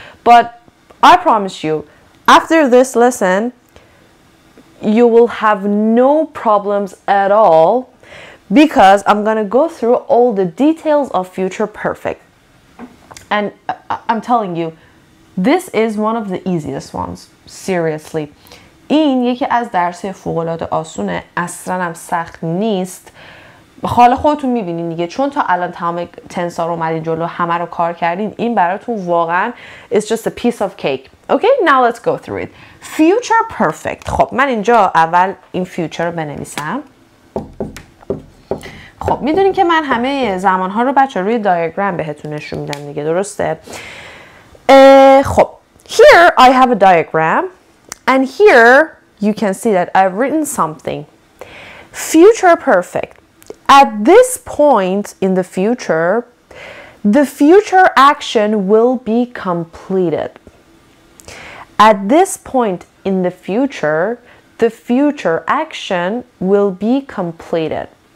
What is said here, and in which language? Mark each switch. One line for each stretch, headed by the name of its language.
English: But I promise you, after this lesson, you will have no problems at all because I'm gonna go through all the details of future perfect. And I'm telling you, this is one of the easiest ones, seriously.
Persian: این یکی از درس‌های فوق‌العاده آسونه، اصلاً هم سخت نیست. حال خودتون می‌بینین دیگه، چون تا الان تمام تنسا رو اومدین جلو، همه رو کار کردین، این براتون واقعاً
English: it's just a piece of cake. Okay, now let's go through it. Future perfect.
Persian: خب من اینجا اول این future رو بنویسم. خب می‌دونین که من همه زمان‌ها رو بچه روی دایگرام بهتون نشون میدم دیگه، درسته؟ خب
English: here I have a diagram. And here you can see that I've written something. Future perfect. At this point in the future action will be completed. At this point in the future action will be completed.